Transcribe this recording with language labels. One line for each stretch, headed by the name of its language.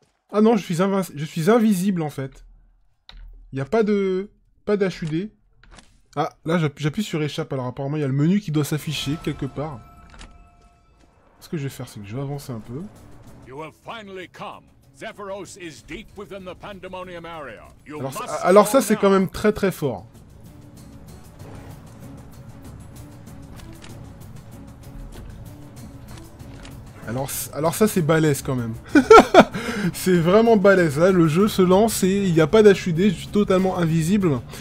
French: Ah non, je suis invisible en fait. Il n'y a pas d'HUD. Ah, là j'appuie sur échappe. Alors apparemment il y a le menu qui doit s'afficher quelque part. Ce que je vais faire, c'est que je vais avancer un peu.
English: You have finally come. Zephyros is deep within the Pandemonium area. You
French: alors,
English: must
French: alors ça c'est quand même très très fort. Alors ça c'est balèze quand même. C'est vraiment balèze. Là, le jeu se lance et il n'y a pas d'HUD, je suis totalement invisible.